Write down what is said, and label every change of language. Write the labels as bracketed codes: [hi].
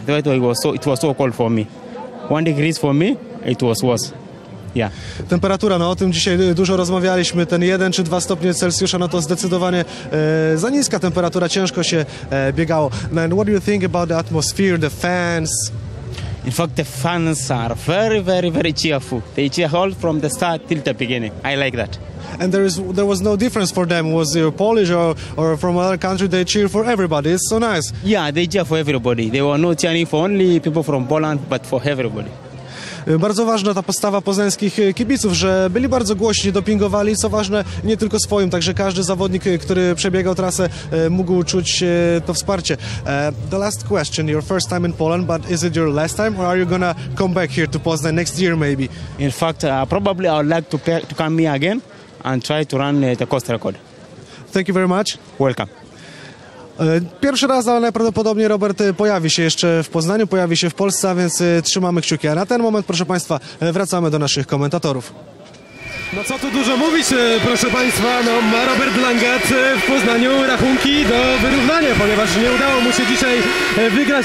[en] The weather was so cold for me. 1 degree for me, it was worse. Yeah. [pl] Temperatura, no o tym dzisiaj dużo rozmawialiśmy, ten 1 czy 2 stopnie Celsjusza, no to zdecydowanie za niska temperatura, ciężko się biegało. [en] And what do you think about the atmosphere, the fans? In fact, the fans are very, very, very cheerful. They cheer all from the start till the beginning. I like that. And there was no difference for them. Was it Polish or from other country? They cheer for everybody. It's so nice. Yeah, they cheer for everybody. They were not cheering for only people from Poland, but for everybody. [pl] Bardzo ważna ta postawa poznańskich kibiców, że byli bardzo głośni, dopingowali, co ważne, nie tylko swoim, także każdy zawodnik, który przebiegał trasę, mógł czuć to wsparcie. [en] The last question, your first time in Poland, but is it your last time, or are you gonna come back here to Poznań next year maybe? In fact, probably I would like to come here again and try to run the course record. Thank you very much. Welcome. [pl] Pierwszy raz, ale najprawdopodobniej Robert pojawi się jeszcze w Poznaniu, pojawi się w Polsce, a więc trzymamy kciuki. A na ten moment, proszę Państwa, wracamy do naszych komentatorów. No co tu dużo mówić, proszę Państwa, no ma Robert Langat w Poznaniu rachunki do wyrównania, ponieważ nie udało mu się dzisiaj wygrać.